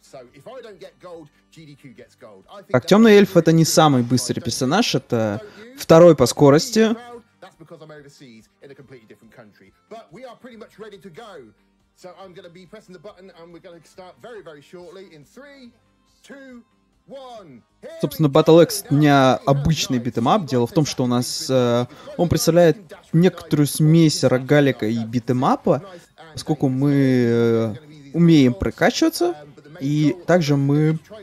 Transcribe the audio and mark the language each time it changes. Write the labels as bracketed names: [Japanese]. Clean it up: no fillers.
[English] So if I don't get gold, GDQ gets gold. I think. [Russian] Так, темный эльф это не самый быстрый персонаж, это второй по скорости. [English] That's because I'm overseas in a completely different country. But we are pretty much ready to go. So I'm going to be pressing the button and we're going to start very, very shortly in 3, 2. [Russian] Собственно, Battle X не обычный битэмап. Дело в том, что у нас он представляет некоторую смесь рогалика и битэмапа, поскольку мы умеем прокачиваться, и также мы...